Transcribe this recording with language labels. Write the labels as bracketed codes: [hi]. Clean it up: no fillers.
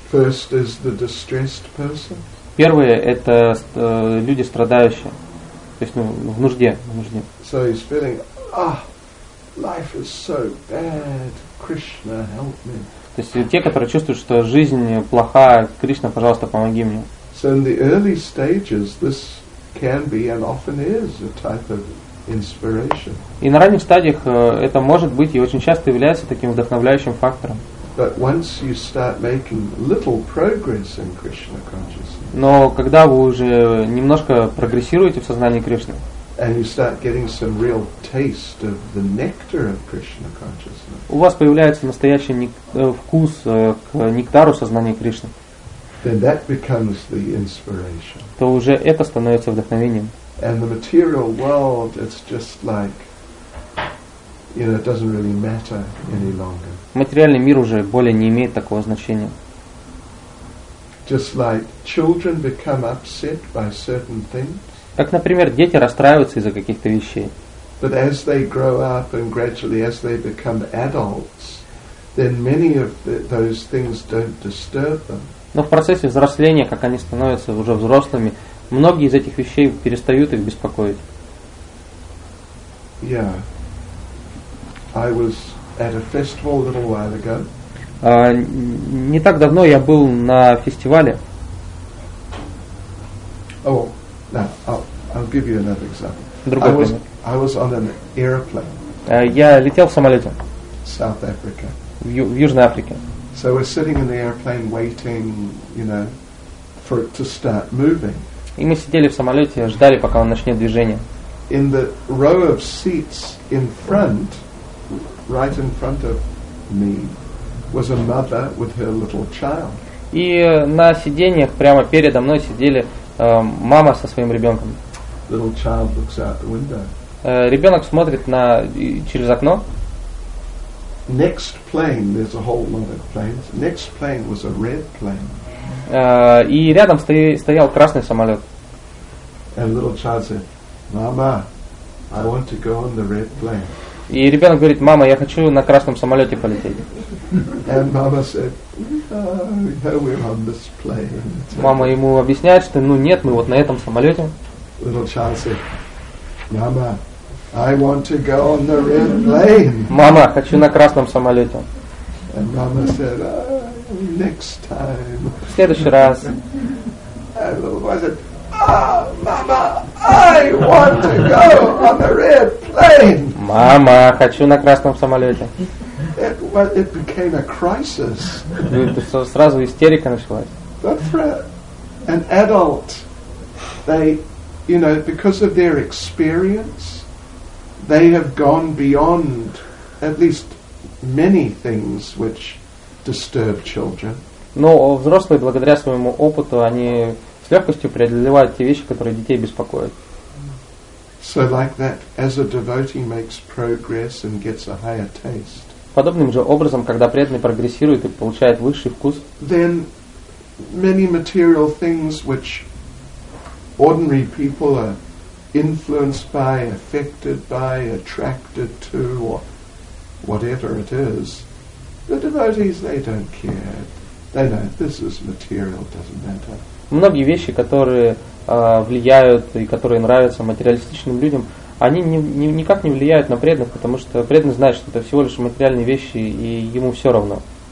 [en] First is the distressed person. [ru] Первые – это люди страдающие. То есть, ну, в нужде. [en] So he's feeling, ah, life is so bad. Krishna, help me. [ru] То есть те, которые чувствуют, что жизнь плоха, Кришна, пожалуйста, помоги мне. [en] So in the early stages, this can be and often is a type of inspiration. [ru] И на ранних стадиях это может быть и очень часто является таким вдохновляющим фактором. [en] But once you start making little progress in Krishna consciousness. [ru] Но когда вы уже немножко прогрессируете в сознании Кришны. [en] And you start getting some real taste of the nectar of Krishna consciousness. [ru] У вас появляется настоящий вкус к нектару сознания Кришны. [en] Then that becomes the inspiration. [ru] То уже это становится вдохновением. [en] And the material world, it's just like, you know, it doesn't really matter any longer. [ru] Материальный мир уже более не имеет такого значения. [en] Just like children become upset by certain things. [ru] Как, например, дети расстраиваются из-за каких-то вещей. [en] But as they grow up and gradually as they become adults, then many of those things don't disturb them. [ru] Но в процессе взросления, как они становятся уже взрослыми, многие из этих вещей перестают их беспокоить. [en] Yeah. I was at a festival a little while ago. [ru] Не так давно я был на фестивале. [en] Oh, now I'll give you another example. [ru] Другой пример. [en] I was on an airplane. [ru] Я летел в самолете. [en] South Africa. [ru] В Южной Африке. [en] So we're sitting in the airplane waiting, you know, for it to start moving. [ru] И мы сидели в самолете, ждали, пока он начнет движение. [en] In the row of seats in front. Right in front of me was a mother with her little child. [ru] И на сиденьях прямо передо мной сидели мама со своим ребенком. [en] Little child looks out the window. [ru] Ребенок смотрит на через окно. [en] Next plane, there's a whole lot of planes. Next plane was a red plane. [ru] И рядом стоял красный самолет. [en] And little child said, "Mama, I want to go on the red plane." [ru] И ребенок говорит: «Мама, я хочу на красном самолете полететь». [en] And mama said, no, we're on this plane. [ru] Мама ему объясняет, что ну нет, мы вот на этом самолете. [en] Little child said, "Mama, I want to go on the red plane." [ru] Мама, хочу на красном самолете. [en] And mama said, next time. [ru] В следующий раз. [en] And little boy said, mama, I want to go on the red plane. [ru] Мама, хочу на красном самолете. [en] It became a crisis. [ru] Сразу истерика началась. [en] But for an adult, they, you know, because of their experience, they have gone beyond at least many things which disturb children. [ru] Но взрослые, благодаря своему опыту, они с легкостью преодолевают те вещи, которые детей беспокоят. [en] So like that, as a devotee makes progress and gets a higher taste. [ru] Подобным же образом, когда преданный прогрессирует и получает высший вкус, [en] then many material things which ordinary people are influenced by, affected by, attracted to, or whatever it is, the devotees, they don't care. They know this is material, doesn't matter. [ru] Многие вещи, которые влияют и которые нравятся материалистичным людям, они никак не влияют на преданных, потому что преданный знает, что это всего лишь материальные вещи, и ему все равно.